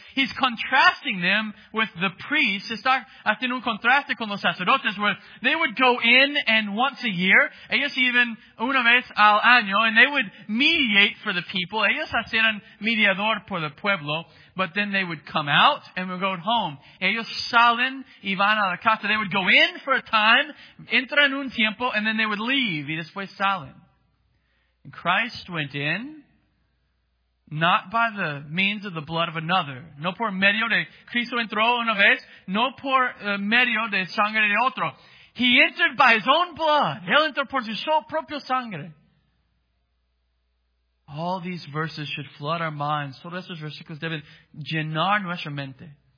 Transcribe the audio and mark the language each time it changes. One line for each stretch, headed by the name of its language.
English: He's contrasting them with the priests.
Spanish: Está haciendo un contraste con los sacerdotes
English: where they would go in and once a year,
Spanish: ellos even una vez al año,
English: and they would mediate for the people.
Spanish: Ellos hacían mediador por el pueblo.
English: But then they would come out and would go home.
Spanish: Ellos salen y van a la casa.
English: They would go in for a time,
Spanish: entran un tiempo,
English: and then they would leave.
Spanish: Y después salen.
English: And Christ went in, not by the means of the blood of another.
Spanish: No por medio de Cristo entró una vez. No por medio de sangre de otro.
English: He entered by His own blood.
Spanish: Él entró por su propio sangre.
English: All these verses should flood our minds.
Spanish: Todos estos versículos deben llenar nuestra mente.